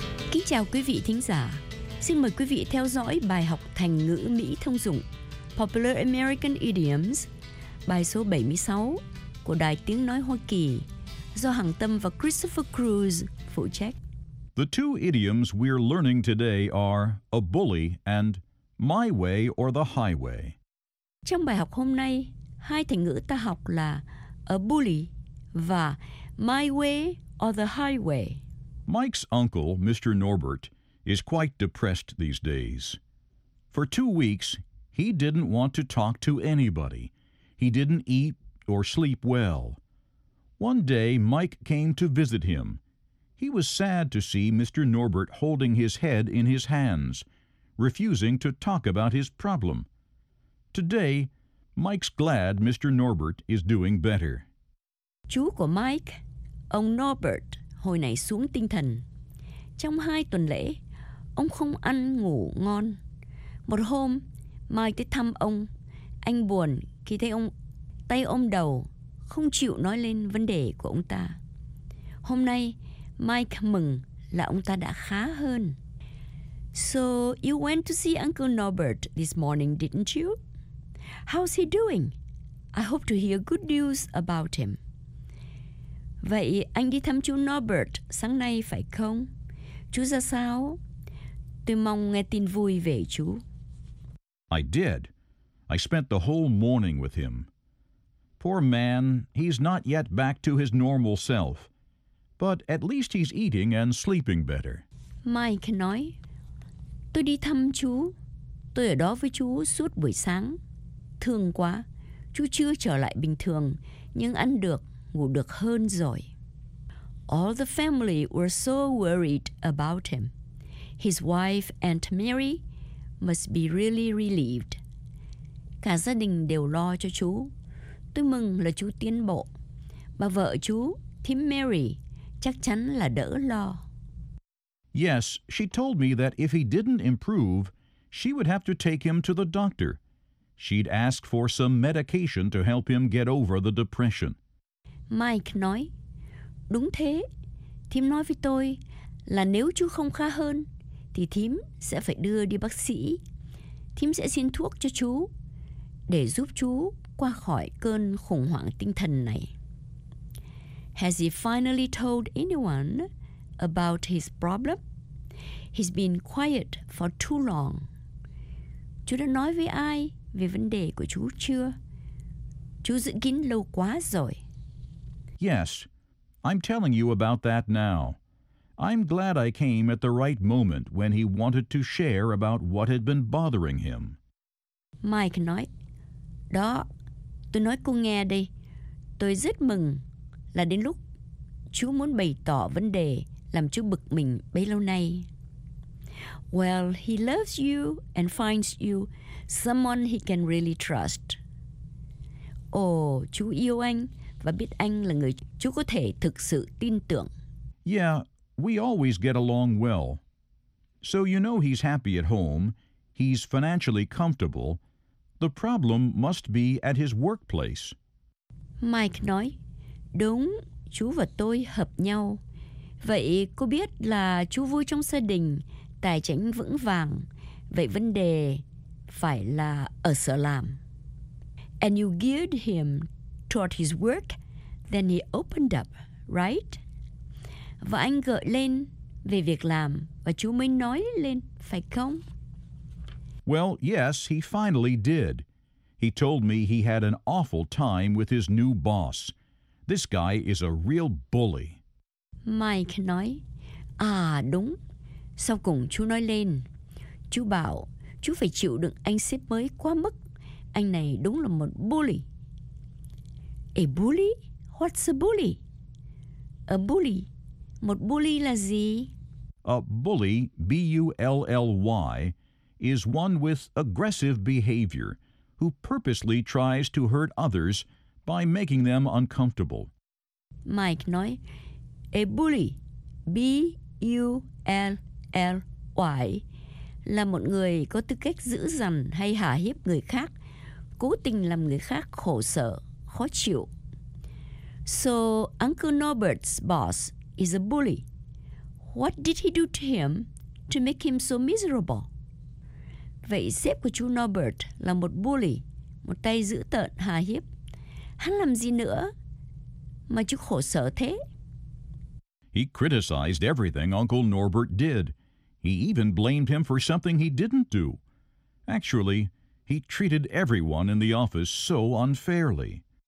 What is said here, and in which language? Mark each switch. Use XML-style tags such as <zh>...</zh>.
<vi>Kính chào quý vị thính giả. Xin mời quý vị theo dõi bài học thành ngữ Mỹ thông dụng Popular American Idioms, bài số 76 của Đài Tiếng Nói Hoa Kỳ, do Hằng Tâm và Christopher Cruz phụ trách.</vi> <en>The two idioms we're learning today are a bully and my way or the highway.</en> <vi>Trong bài học hôm nay, hai thành ngữ ta học là a bully và</vi> <en>my way or the highway. Mike's uncle, Mr. Norbert, is quite depressed these days. For 2 weeks, he didn't want to talk to anybody. He didn't eat or sleep well. One day, Mike came to visit him. He was sad to see Mr. Norbert holding his head in his hands, refusing to talk about his problem. Today, Mike's glad Mr. Norbert is doing better.</en> <vi>Chú của Mike, ông Norbert, hồi này xuống tinh thần. Trong hai tuần lễ, ông không ăn ngủ ngon. Một hôm, Mike tới thăm ông. Anh buồn khi thấy ông tay ôm đầu, không chịu nói lên vấn đề của ông ta. Hôm nay, Mike mừng là ông ta đã khá hơn.</vi> <en>So, you went to see Uncle Norbert this morning, didn't you? How's he doing? I hope to hear good news about him.</en> <vi>Vậy anh đi thăm chú Norbert sáng nay phải không? Chú ra sao? Tôi mong nghe tin vui về chú.</vi> <en>I did. I spent the whole morning with him. Poor man, he's not yet back to his normal self. But at least he's eating and sleeping better.</en> <vi>Mike nói, tôi đi thăm chú. Tôi ở đó với chú suốt buổi sáng. Thương quá, chú chưa trở lại bình thường, nhưng ăn được, ngủ được hơn rồi.</vi> <en>All the family were so worried about him. His wife, Aunt Mary, must be really relieved.</en> <vi>Cả gia đình đều lo cho chú. Tôi mừng là chú tiến bộ. Bà vợ chú, Thím Mary, chắc chắn là đỡ lo.</vi> <en>Yes, she told me that if he didn't improve, she would have to take him to the doctor. She'd ask for some medication to help him get over the depression.</en> <vi>Mike nói, đúng thế. Thím nói với tôi là nếu chú không khá hơn, thì thím sẽ phải đưa đi bác sĩ. Thím sẽ xin thuốc cho chú để giúp chú qua khỏi cơn khủng hoảng tinh thần này.</vi> <en>Has he finally told anyone about his problem? He's been quiet for too long.</en> <vi>Chú đã nói với ai về vấn đề của chú chưa? Chú giữ kín lâu quá rồi.</vi> <en>Yes, I'm telling you about that now. I'm glad I came at the right moment when he wanted to share about what had been bothering him.</en> <vi>Mike nói, đó, tôi nói cô nghe đây. Tôi rất mừng là đến lúc chú muốn bày tỏ vấn đề làm chú bực mình bấy lâu nay.</vi> <en>Well, he loves you and finds you someone he can really trust.</en> <vi>Oh, chú yêu anh và biết anh là người chú có thể thực sự tin tưởng.</vi> <en>Yeah, we always get along well. So you know he's happy at home, he's financially comfortable. The problem must be at his workplace.</en> <vi>Mike nói, đúng, chú và tôi hợp nhau. Vậy cô biết là chú vui trong gia đình, tài chính vững vàng. Vậy vấn đề phải là ở sở làm.</vi> <en>And you geared him toward his work, then he opened up, right?</en> <vi>Và anh gợi lên về việc làm, và chú mới nói lên, phải không?</vi> <en>Well, yes, he finally did. He told me he had an awful time with his new boss. This guy is a real bully.</en> <vi>Mike nói, à đúng. Sau cùng chú nói lên, chú bảo chú phải chịu đựng anh sếp mới quá mức. Anh này đúng là một bully.</vi> <en>A bully? What's a bully? A bully.</en> <vi>Một bully là gì?</vi> <en>A bully, B-U-L-L-Y, is one with aggressive behavior who purposely tries to hurt others by making them uncomfortable.</en> <vi>Mike nói, a bully, B-U-L-L-Y, là một người có tư cách dữ dằn hay hà hiếp người khác, cố tình làm người khác khổ sở, khó chịu.</vi> <en>So, Uncle Norbert's boss is a bully. What did he do to him to make him so miserable?</en> <vi>Vậy sếp của chú Norbert là một bully, một tay dữ tợn, hà hiếp. Hắn làm gì nữa mà chú khổ sở thế?</vi> <en>He criticized everything Uncle Norbert did. He even blamed him for something he didn't do. Actually, he treated everyone in the office so unfairly.</en>